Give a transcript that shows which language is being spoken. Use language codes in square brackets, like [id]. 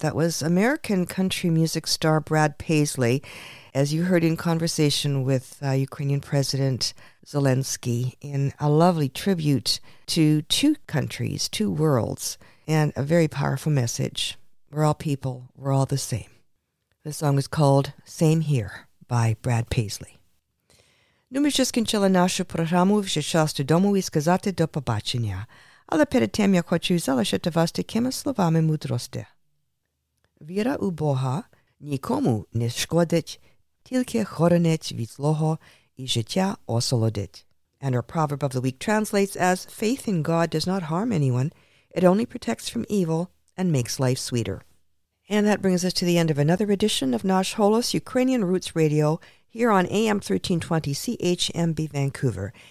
[en] That was American country music star Brad Paisley, as you heard in conversation with Ukrainian President Zelensky, in a lovely tribute to two countries, two worlds, and a very powerful message. We're all people. We're all the same. The song is called Same Here by Brad Paisley. [uk] Ми вже скінчили нашу програму, вже час додому і сказати до побачення. Але перед тим я хочу залишити вас такими словами мудрості. Віра у Бога нікому не шкодить, тільки хоронить від злого і життя осолодить. [en] And our proverb of the week translates as, faith in God does not harm anyone, it only protects from evil and makes life sweeter. And that brings us to the end of another edition of Nash Holos, Ukrainian Roots Radio, here on AM 1320 CHMB Vancouver.